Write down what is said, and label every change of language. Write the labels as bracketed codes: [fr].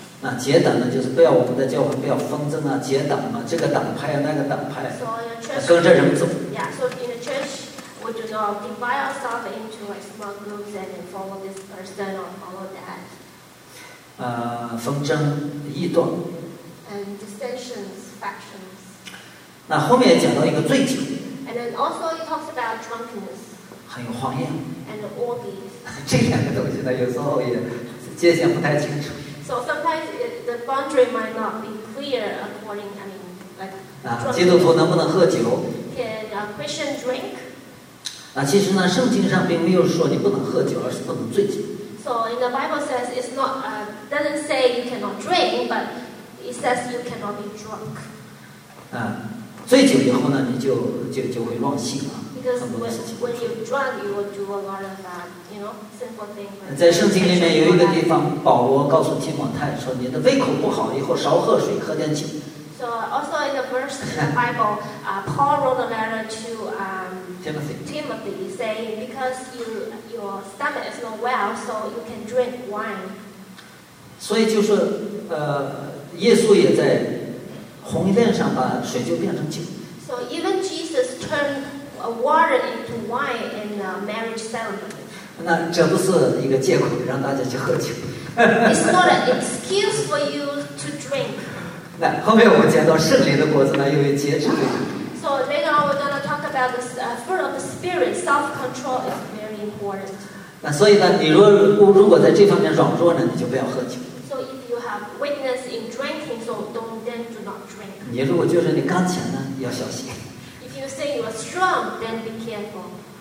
[zh] 那结党呢，就是不要我们的教会不要纷争啊，结党嘛，这个党派啊，那个党派， [en] so、church, [zh] 跟着人走。 [en] Yeah, so in the church, we do not divide ourselves into like small groups and follow this person or follow that. [zh] 纷争异端 [en] And dissensions, factions. [zh] 那后面也讲到一个醉酒 [en] ，and then also he talks about drunkenness， [zh] 还有荒宴 [en] ，and all these， [zh] 这两个东西呢，有时候也界限不太清楚。 [en] So sometimes the boundary might not be clear according, I mean, like [zh] 基督徒能不能喝酒 [en] ？Can a Christian drink？ [zh] 其实呢，圣经上并没有说你不能喝酒，而是不能醉酒。 [en] So in the Bible says it's not doesn't say you cannot drink, but it says you cannot be drunk。 [zh] 醉酒以后呢，你就会乱性啊，很多事情。 [en] When you drunk, you will do a lot of sinful things. [zh] 在圣经里面有一个地方，保罗告诉提摩太说：“你的胃口不好，以后少喝水，喝点酒。” [en] So also in the verse in the Bible, Paul wrote a letter to Timothy, saying because your stomach is not well, so you can drink wine. [zh] 所以就是耶稣也在。红线上把水就变成酒。 [en] So even Jesus turned water into wine in a marriage ceremony. [zh] 那这不是一个借口让大家去喝酒。 [en] It's not an excuse for you to drink. [zh] 那后面我们讲到圣灵的果子呢，又有节制。 [en] So later on, we're going to talk about the fruit of the spirit. Self-control is very important. [zh] 那所以呢，你如果在这方面软弱呢，你就不要喝酒。 [en] So if you have weakness in drinking, so then do not drink. [zh] 你如果觉得你刚强呢，要小心。 [en] If you say you are strong, then be careful.